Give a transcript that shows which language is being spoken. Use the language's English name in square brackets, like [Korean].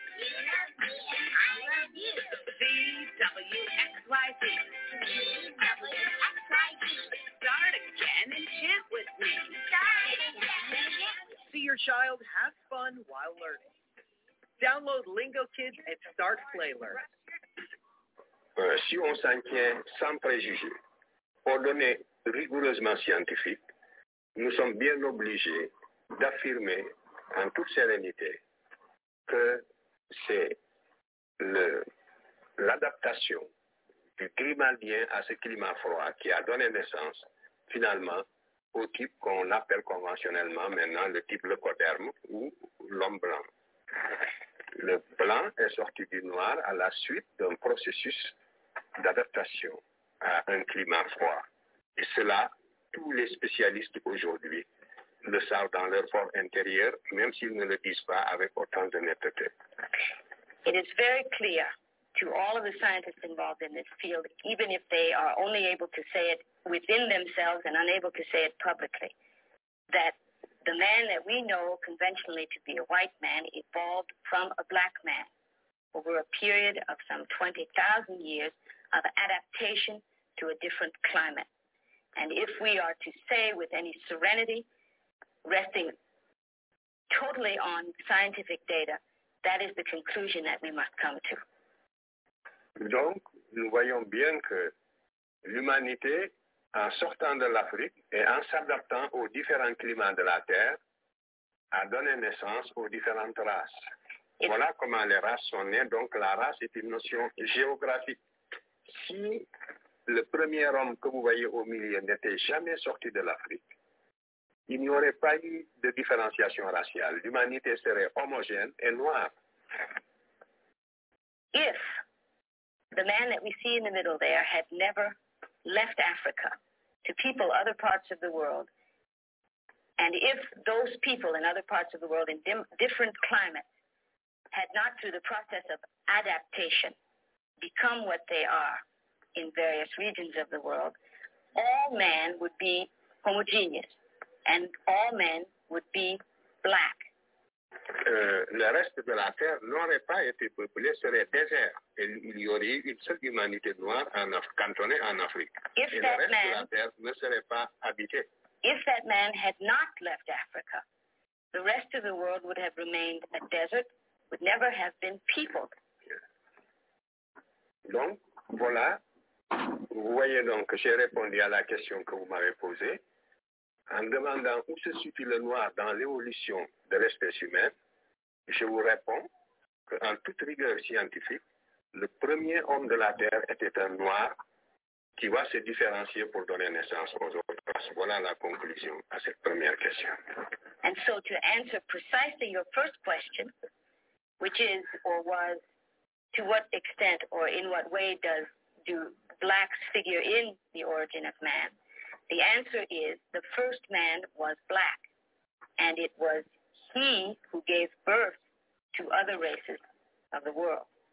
[English] You love me and I love you. V-W-X-Y-Z. V-W-X-Y-Z. Start again and chant with me. Start again and chant. See your child have fun while learning. Download Lingo Kids and start Play Learn. [French] Si on s'en tient sans préjugés, ordonnées rigoureusement scientifiques, nous sommes bien obligés d'affirmer en toute sérénité que c'est l'adaptation du climat lien à ce climat froid qui a donné naissance finalement au type qu'on appelle conventionnellement maintenant le type leucoderme ou l'homme blanc. Le blanc est sorti du noir à la suite d'un processus d'adaptation à un climat froid. Et cela, tous les spécialistes aujourd'hui le savent dans leur fort intérieur, même s'ils ne le disent pas avec autant de netteté. [English] It is very clear to all of the scientists involved in this field, even if they are only able to say it within themselves and unable to say it publicly, that the man that we know conventionally to be a white man evolved from a black man over a period of some 20,000 years of adaptation to a different climate. And if we are to say with any serenity, resting totally on scientific data, that is the conclusion that we must come to. [French] Donc, nous voyons bien que l'humanité, en sortant de l'Afrique et en s'adaptant aux différents climats de la Terre, a donné naissance aux différentes races. Voilà comment les races sont nées. Donc, la race est une notion géographique. Si le premier homme que vous voyez au milieu n'était jamais sorti de l'Afrique, il n'y aurait pas eu de différenciation raciale. L'humanité serait homogène et noire. [English] If the man that we see in the middle there had never left Africa to people other parts of the world, and if those people in other parts of the world in different climates had not, through the process of adaptation, become what they are in various regions of the world, all man would be homogeneous, and all men would be black. [French] Le reste de la Terre n'aurait pas été peuplé, serait désert. Et il y aurait eu une seule humanité noire cantonnée en Afrique. [English] If [French] et [English] that [French] le reste [English] man, [French] de la Terre ne serait pas habité. [English] If that man had not left Africa, the rest of the world would have remained a desert, would never have been peopled. [French] Donc, voilà. Vous voyez donc que j'ai répondu à la question que vous m'avez posée. En demandant où se situe le noir dans l'évolution de l'espèce humaine, je vous réponds qu'en toute rigueur scientifique, le premier homme de la Terre était un noir qui va se différencier pour donner naissance aux autres. Voilà la conclusion à cette première question. [English] And so to answer precisely your first question, which is or was, to what extent or in what way do blacks figure in the origin of man? The answer is the first man was black, and it was he who gave birth to other races of the world.